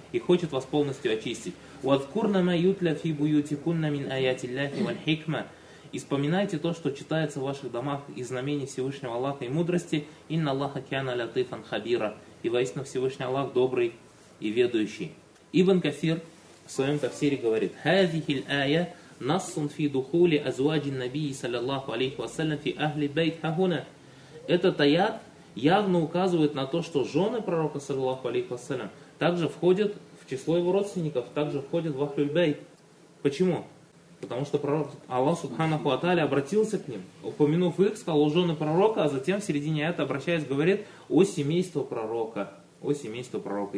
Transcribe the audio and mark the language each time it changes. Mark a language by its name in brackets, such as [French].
[Russian] И хочет вас полностью очистить. [Arabic] Ваткурна ма ютля фи буютикунна мин аятилляхи валь хикма. [Russian] И вспоминайте то, что читается в ваших домах из знамений Всевышнего Аллаха и мудрости. [Arabic] Инна Аллаха кьяна латыфан хабира. [Russian] И воистину Всевышний Аллах добрый и ведущий. Ибн Кафир. В своем тафсире говорит [Arabic] هذه الآية نص في دخول أزواج النبي صلى الله عليه وسلم في أهل بيت هنا. [Russian] Этот аят явно указывает на то, что жены пророка саллаллаху алейхи ва саллям также входят в число его родственников, также входят в Ахлюль-Бейт. Почему? Потому что пророк Аллах Субханаху ва Тааля обратился к ним, упомянув их, сказал о жены пророка, а затем в середине аята обращаясь говорит о семейство пророка. О семейство пророка.